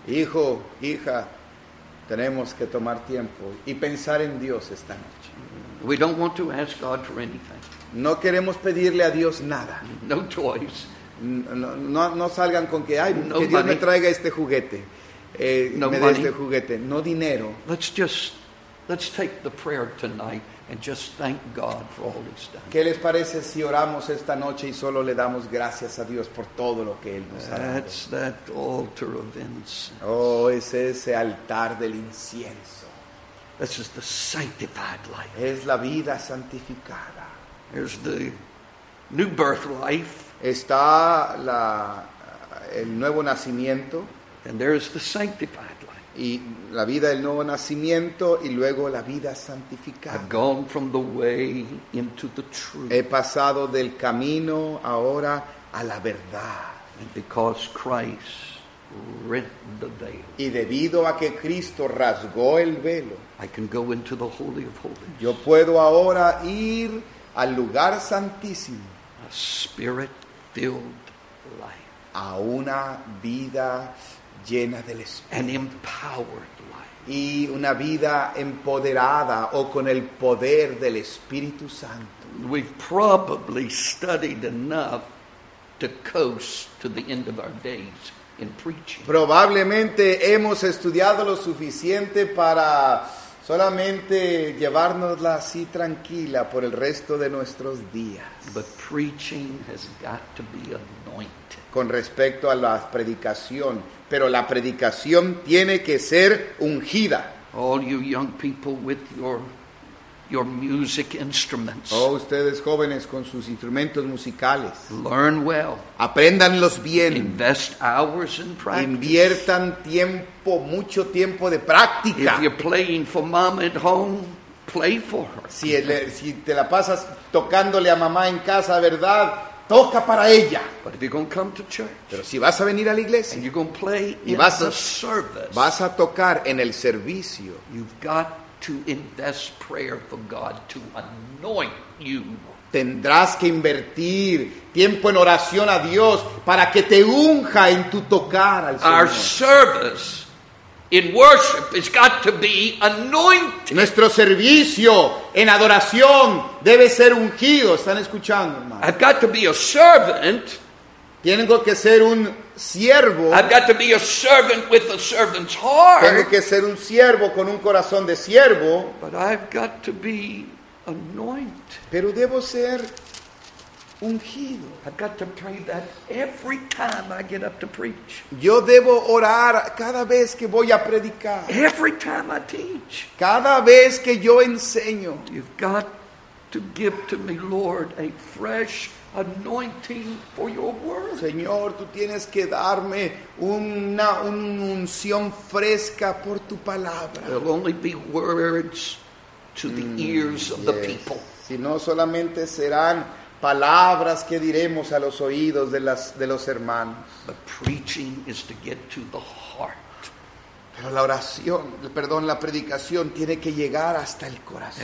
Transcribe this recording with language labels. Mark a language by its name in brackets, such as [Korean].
[Spanish] Hijo, hija, tenemos que tomar tiempo y pensar en Dios esta noche. [English] We don't want to ask God for anything. [Spanish] No queremos pedirle a Dios nada. [English] No toys. [Spanish] No salgan con que, ay, no que Dios [English] money. [Spanish] Me traiga este juguete. No me dé este juguete. No dinero. [English] Let's take the prayer tonight and just thank God for all He's done. [Spanish] ¿Qué les parece si oramos esta noche y solo le damos gracias a Dios por todo lo que Él nos [English] That's [Spanish] ha dado? [English] That's that altar of incense. [Spanish] Oh, es ese altar del incienso. [English] This is the sanctified life. [Spanish] Es la vida santificada. [English] There's the new birth life. [Spanish] Está la, el nuevo nacimiento. [English] And there is the sanctified life. [Spanish] Y la vida del nuevo nacimiento y luego la vida santificada. [English] I've gone from the way into the truth. [Spanish] He pasado del camino ahora a la verdad. [English] And because Christ rent the veil. [Spanish] Y debido a que Cristo rasgó el velo. [English] I can go into the Holy of Holies. [Spanish] Yo puedo ahora ir al lugar santísimo, [English] a spirit-filled life, [Spanish] a una vida llena del Espíritu, [English] an empowered life, [Spanish] y una vida empoderada o con el poder del Espíritu Santo. [English] We've probably studied enough to coast to the end of our days in preaching. [Spanish] Probablemente hemos estudiado lo suficiente para solamente llevárnosla así tranquila por el resto de nuestros días. [English] But preaching has got to be anointed. [Spanish] Con respecto a la predicación, pero la predicación tiene que ser ungida. [English] All you young people with your music instruments. [Spanish] Oh, ustedes jóvenes con sus instrumentos musicales. [English] Learn well. [Spanish] Apréndanlos bien. [English] Invest hours in practice. [Spanish] Inviertan tiempo, mucho tiempo de práctica. [English] If you're playing for mama at home, play for her. [Spanish] Si te la pasas tocándole a mamá en casa, ¿verdad? Toca para ella. [English] But if you're going to come to church, [Spanish] pero si vas a venir a la iglesia, [English] and you're going to play [Spanish] y [English] in [Spanish] vas, [English] the service, [Spanish] vas a tocar en el servicio, [English] you've got to invest prayer for God to anoint you. [Spanish] Tendrás que invertir tiempo en oración a Dios para que te unja en tu tocar al Señor. [English] Our service in worship has got to be anointed. [Spanish] Nuestro servicio en adoración debe ser ungido. ¿Están escuchando, hermano? [English] I've got to be a servant. [Spanish] Tengo que ser un siervo. [English] I've got to be a servant with a servant's heart. [Spanish] Tengo que ser un siervo con un corazón de siervo. [English] But I've got to be anointed. [Spanish] Pero debo ser ungido. [English] I've got to pray that every time I get up to preach. [Spanish] Yo debo orar cada vez que voy a predicar. [English] Every time I teach. [Spanish] Cada vez que yo enseño. [English] You've got to give to me, Lord, a fresh anointing for your word. [Spanish] Señor, tú tienes que darme una unción fresca por tu palabra. [English] There'll only be words to the ears of yes. the people. [Spanish] Si no, solamente serán palabras que diremos a los oídos de las de los hermanos. [English] But preaching is to get to the heart. [Spanish] Pero la oración, perdón, la predicación tiene que llegar hasta el corazón.